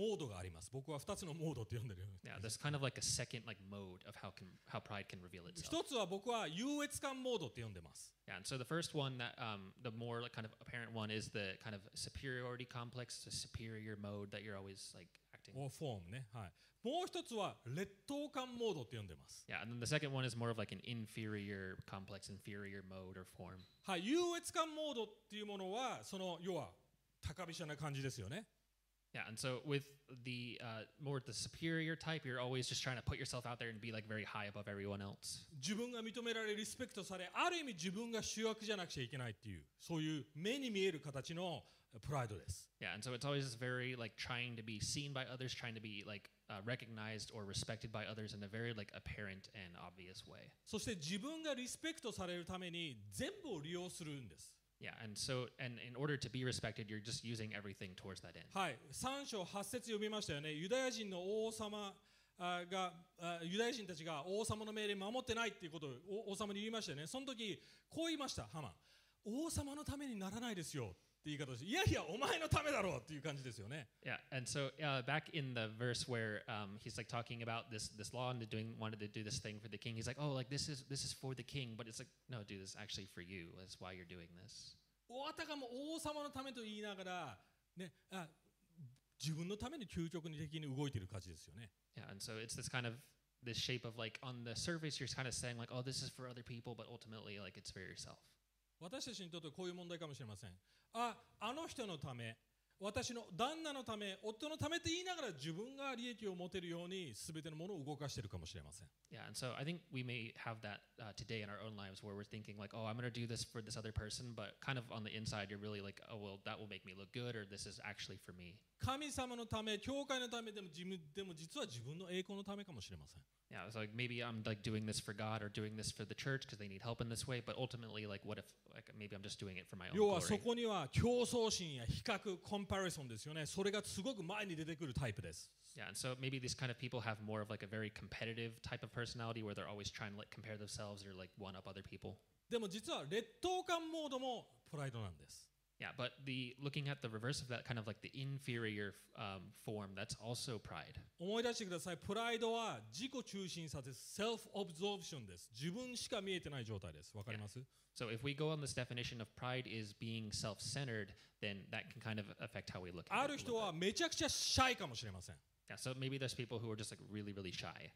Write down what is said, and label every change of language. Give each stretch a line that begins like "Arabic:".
English: Yeah, there's kind of like a second like mode of how pride can reveal itself. Yeah, and so the first one that the more like kind of apparent one is the kind of superiority complex, the superior mode that you're always like. Or form,
Japanese: ね、はい。もう一つは劣等感モードって呼んでます。
English: Yeah, and then the second one is more of like an inferior complex, inferior mode or form.
Japanese: はい、優越感モードっていうものはその要は高飛車な感じですよね。
English: Yeah, and so with the more the superior type, you're always just trying to put yourself out there and be like very high above everyone else.
Japanese: 自分が認められ、リスペクトされ、ある意味自分が主役じゃなくちゃいけないっていうそういう目に見える形の。 Pride です。
English: Yeah, and so it's always very like trying to be seen by others, trying to be like recognized or respected by others in a very like apparent and obvious way.
Japanese: そして自分がリスペクトされるために全部を利用するんです。
English: Yeah, and so and in order to be respected, you're just using everything towards that end.
Japanese: はい、3章8節読みましたよね。ユダヤ人の王様がユダヤ人たちが王様の命令守ってないっていうことを王様に言いましたよね。その時こう言いました、ハマン。王様のためにならないですよ。って言い方です。いやいや、お前のためだろうっていう感じですよね。
English: Yeah, and so, back in the verse where, he's like talking about this law and wanted to do this thing for the king, he's like, oh, like this is for the king, but it's like, no, dude, this is actually for you. That's why you're doing this.
Japanese: あたかも王様のためと言いながら、ね、自分のために究極的に動いている感じですよね。
English: Yeah, and so it's this kind of this shape of like on the surface you're kind of saying like, oh, this is for other people, but ultimately like it's for yourself.
Japanese: 私たちにとってこういう問題かもしれません。あの人のため、私の旦那のため、夫のためと言いながら自分が利益を持てるように全てのものを動かしているかもしれません。
English: Yeah, and so I think we may have that today in our own lives where we're thinking like, oh, I'm going to do this for this other person, but kind of on the inside, you're really like, oh, well, that will make me look good or this is actually for me.
Japanese: 神様のため、教会のためでも実は自分の栄光のためかもしれません。
English: Yeah, it's like maybe I'm like doing this for God or doing this for the church because they need help in this way. But ultimately, like, what if like maybe I'm just doing it for my own glory?
Japanese: 要はそこには競争心や比較 comparison ですよね。それがすごく前に出てくるタイプです。
English: Yeah, and so maybe these kind of people have more of like a very competitive type of personality where they're always trying to like compare themselves or like one up other people.
Japanese: でも実は劣等感モードもプライドなんです。
English: Yeah, but the looking at the reverse of that kind of like the inferior form, that's also pride.
Japanese: 思い出してください。プライドは自己中心さです。 Self-absorption です。自分しか見えてない状態です。わかります
English: ？Yeah. So if we go on this definition of pride is being self-centered, then that can kind of affect how we look at
Japanese: it. ある人はめちゃくちゃシャイかもしれません。
English: Yeah, so maybe there's people who are just like really, really shy.